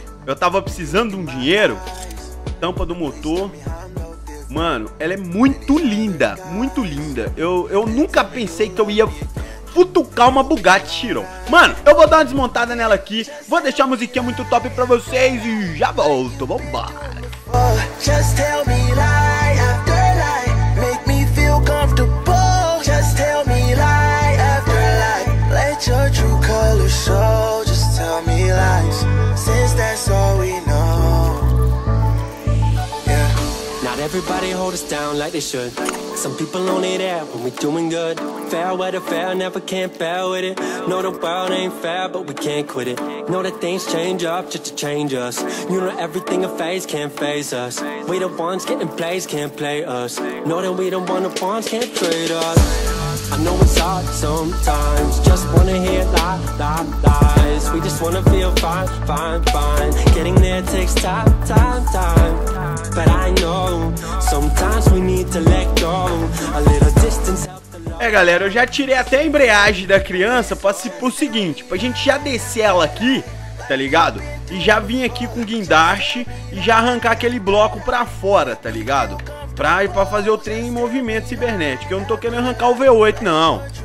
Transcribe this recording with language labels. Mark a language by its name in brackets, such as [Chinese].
[Portuguese] Eu tava precisando de um dinheiro, tampa do motor. Mano, ela é muito linda, muito linda. Eu nunca pensei que eu ia futucar uma Bugatti Chiron. Mano, eu vou dar uma desmontada nela aqui, vou deixar a musiquinha muito top pra vocês e já volto, vambora. [English] Just tell me lie after lie, make me feel comfortable. Just tell me lie after lie, let your true color show. Just tell me lies, since that's all we know. Everybody hold us down like they should. Some people only there when we doing good. Fair weather, fair, never can't fail with it. Know the world ain't fair, but we can't quit it. Know that things change up just to change us. You know everything a phase can't phase us. We the ones getting plays, can't play us. Know that we the one of ones can't trade us. I know it's hard sometimes, just wanna hear lies. We just wanna feel fine, fine, fine. Getting there takes time, time, time. But I know, sometimes we need to let go. A little distance. [Portuguese] É, galera, eu já tirei até a embreagem da criança pro seguinte, pra gente já descer ela aqui, tá ligado? E já vim aqui com o guindaste e já arrancar aquele bloco pra fora, tá ligado? Pra ir pra fazer o trem em movimento cibernético. Eu não tô querendo arrancar o V8, não.